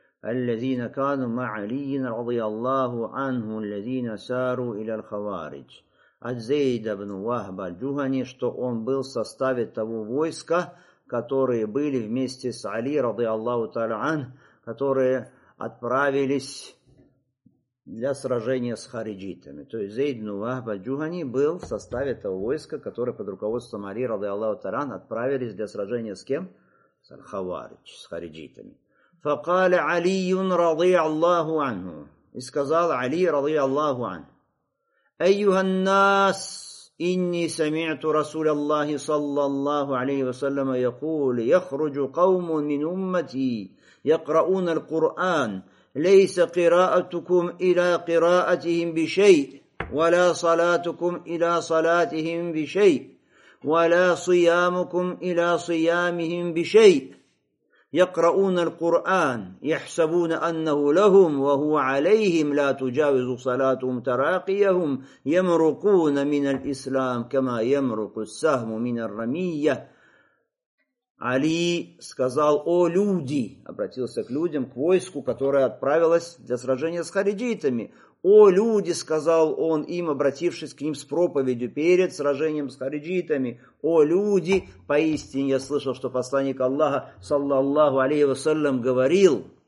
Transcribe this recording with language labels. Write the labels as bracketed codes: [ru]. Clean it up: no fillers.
[ar] الذين كانوا مع علي رضي الله عنه الذين ساروا الى الخوارج [ru] от Зейда ибн Вахба аль-Джухани, что он был в составе того войска, которые были вместе с Али [ar] رضي الله تعالى عنه, [ru] которые отправились для сражения с хариджитами. То есть Зейд ибн Вахба аль-Джухани был в составе того войска, которое под руководством Али [ar] رضي الله تعالى عنه [ru] отправились для сражения с кем? С хавариджи, с хариджитами. [ar] فقال علي رضي الله عنه اسказал علي رضي الله عنه ايها الناس اني سمعت رسول الله صلى الله عليه وسلم يقول يخرج قوم من امتي يقرؤون القران ليس قراءتكم الى قراءتهم بشيء ولا صلاتكم الى صلاتهم بشيء ولا صيامكم الى صيامهم بشيء يقرؤون القرآن يحسبون أنه لهم وهو عليهم لا تجاوز صلاتهم تراقيهم يمرقون من الإسلام كما يمرق السهم من الرمية. [ru] علي сказал: «О люди», обратился к людям, к войску, которое отправилось для сражения с хариджитами. «О люди», сказал он им, обратившись к ним с проповедью перед сражением с хариджитами, «о люди, поистине я слышал, что посланник Аллаха, саллаллаху алейхи ва саллям, говорил: